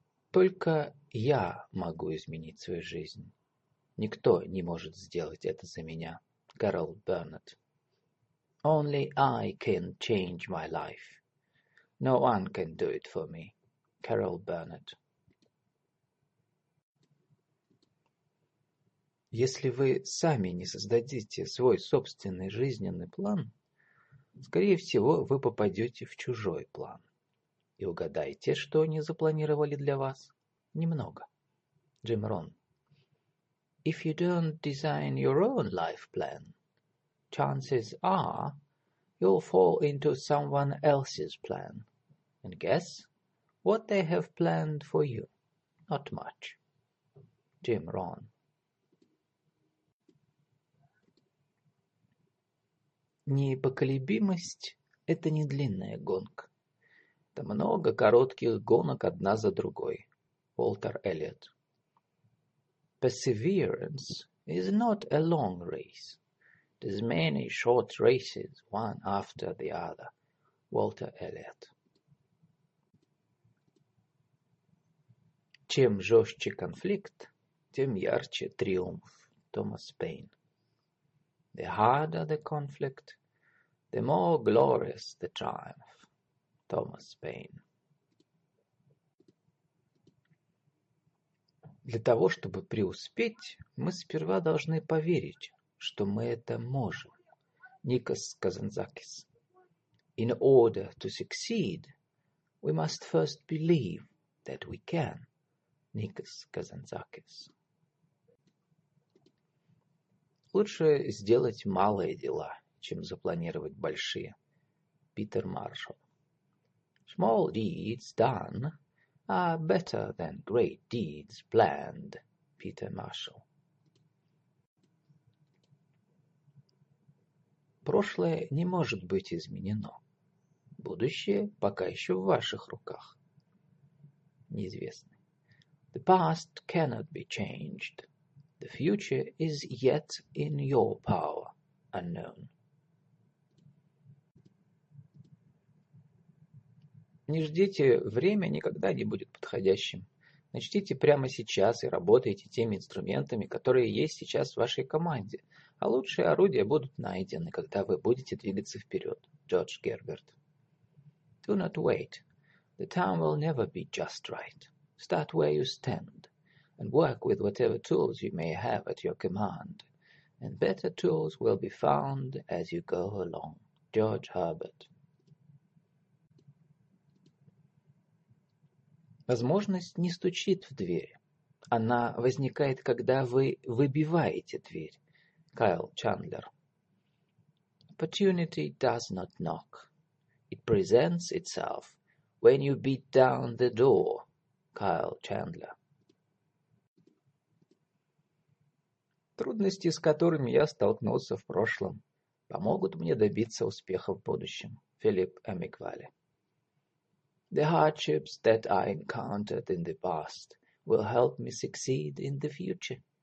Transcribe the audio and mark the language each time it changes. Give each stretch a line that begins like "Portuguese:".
Russian: Только я могу изменить свою жизнь. Никто не может сделать это за меня. Гарольд Бернетт.
English: Only I can change my life. No one can do it for me. Гарольд Бернетт.
Russian: Если вы сами не создадите свой собственный жизненный план, скорее всего, вы попадете в чужой план. И угадайте, что они запланировали для вас. Немного. Джим Рон.
English: If you don't design your own life plan, chances are you'll fall into someone else's plan. And guess what they have planned for you? Not much.
Russian: Джим Рон. Непоколебимость – это не длинная гонка. Это много коротких гонок одна за другой. Уолтер Эллиот.
English: Perseverance is not a long race. It is many short races, one after the other.
Russian: Уолтер Эллиот. Чем жестче конфликт, тем ярче триумф. Томас Пейн.
English: The harder the conflict, the more glorious the triumph. Thomas Paine.
Russian: Для того, чтобы преуспеть, мы сперва должны поверить, что мы это можем. Никос Казанзакис.
English: In order to succeed, we must first believe that we can.
Russian: Никос Казанзакис. Лучше сделать малые дела, чем запланировать большие. Питер Маршалл.
English: Small deeds done are better than great deeds planned.
Russian: Питер Маршалл. Прошлое не может быть изменено. Будущее пока еще в ваших руках. Неизвестный.
English: The past cannot be changed. The future is yet in your power. Unknown.
Russian: Не ждите, время никогда не будет подходящим. Начните прямо сейчас и работайте теми инструментами, которые есть сейчас в вашей команде. А лучшие орудия будут найдены, когда вы будете двигаться вперед.
English: Джордж Герберт. Do not wait. The time will never be just right. Start where you stand. And work with whatever tools you may have at your command. And better tools will be found as you go along.
Russian: Джордж Герберт. Возможность не стучит в дверь. Она возникает, когда вы выбиваете дверь. Кайл Чандлер.
English: Opportunity does not knock. It presents itself when you beat down the door.
Russian: Кайл Чандлер. Трудности, с которыми я столкнулся в прошлом, помогут мне добиться успеха в будущем. Филипп Эмиквали.
English: The hardships that I encountered in the past will help me succeed in the future.